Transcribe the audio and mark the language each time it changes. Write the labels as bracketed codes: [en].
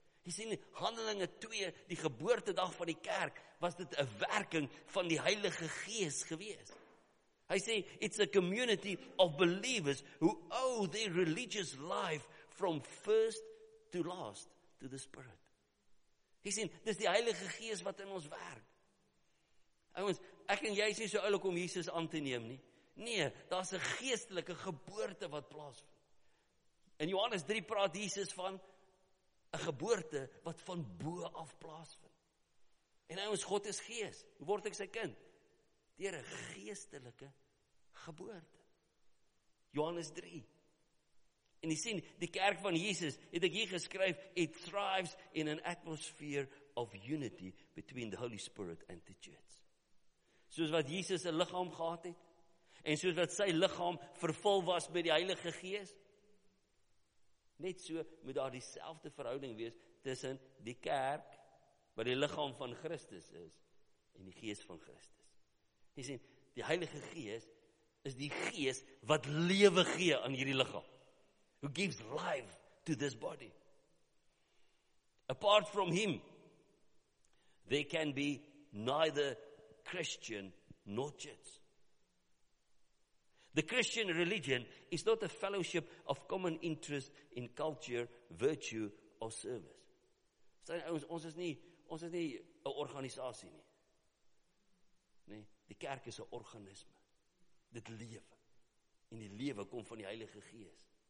[af] Jy sien, Handelinge 2, die geboortedag van die kerk, was dit een werking van die Heilige Gees gewees. Hy sê, [en] it's a community of believers who owe their religious life from first to last to the Spirit. [af] Jy sien, dis die Heilige Gees wat in ons werk. Ouens, ek en jy is nie so oulik om Jesus aan te neem nie. Nee, daar is een geestelike geboorte wat plaasvind. In Johannes 3 praat Jesus van een geboorte wat van bo af plaasvind. En nou ons God is gees, word ek sy kind? Deur een geestelike geboorte. Johannes 3. En jy sien, die kerk van Jesus, het ek hier geskryf, [en] it thrives in an atmosphere of unity between the Holy Spirit and the church. [af] Soos wat Jesus 'n liggaam gehad het, en soos wat sy liggaam vervul was met die Heilige Gees, net so moet daar dieselfde verhouding wees tussen die kerk, wat die liggaam van Christus is, en die Gees van Christus. Jy sien, die Heilige Gees is die Gees wat lewe gee aan hierdie liggaam, [en] who gives life to this body. Apart from him, there can be neither Christian nor church. The Christian religion is not a fellowship of common interest in culture, virtue or service. [af] Ons is nie 'n organisasie nie. Nee, die kerk is 'n organisme. Dit lewe. En die lewe kom van die Heilige Gees.